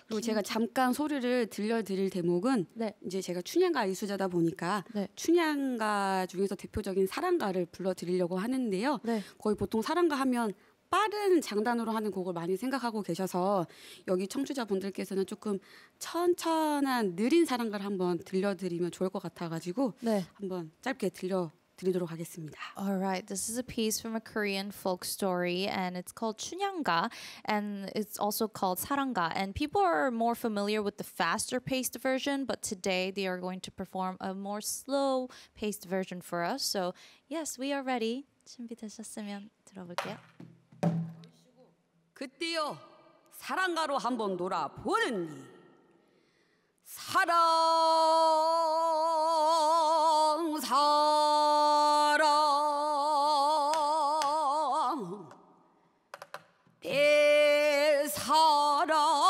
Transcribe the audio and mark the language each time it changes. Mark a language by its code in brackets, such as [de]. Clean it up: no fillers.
[ko] 그리고 제가 잠깐 소리를 들려드릴 대목은 이제 제가 춘향가 예술자다 보니까 춘향가 중에서 대표적인 사랑가를 불러드리려고 하는데요. 거의 보통 사랑가 하면 빠른 장단으로 하는 곡을 많이 생각하고 계셔서 여기 청취자분들께서는 조금 천천한 느린 사랑가를 한번 들려드리면 좋을 것 같아가지고 한번 짧게 들려드리도록 하겠습니다. [en] Alright, this is a piece from a Korean folk story and it's called 춘향가 and it's also called 사랑가 and people are more familiar with the faster paced version but today they are going to perform a more slow paced version for us. So yes, we are ready. [ko] 준비되셨으면 들어볼게요. 그때여 사랑가로 한번 놀아보는니 사랑 사랑 대사랑이야